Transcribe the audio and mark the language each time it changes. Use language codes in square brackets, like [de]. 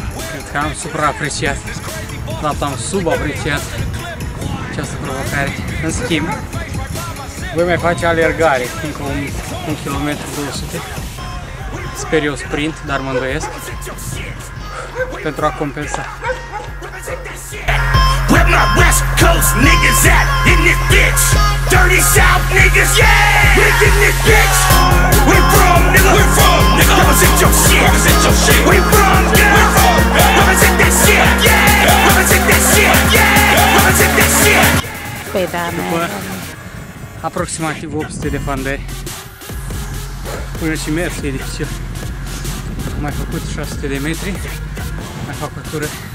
[ro] Cred că am supraapreciat, dar am subapreciat această provocare. În schimb, voi mai face alergare, încă un kilometru 200. Sper eu sprint, dar mă îndoiesc, pentru a compensa. [en] Where my west coast niggas at in this bitch? Dirty south niggas, yeah! We in this bitch! Where from, nigga? Where from, nigga? Represent your shit! Represent your shit! Where from, nigga? Where from, nigga? Represent that shit, yeah! Represent that shit, yeah! Represent that shit! [ro] Păi da, mea. După aproximativ 800 de pandări, până și mers e dificil. Am mai făcut 600 de metri, mai fac o tură.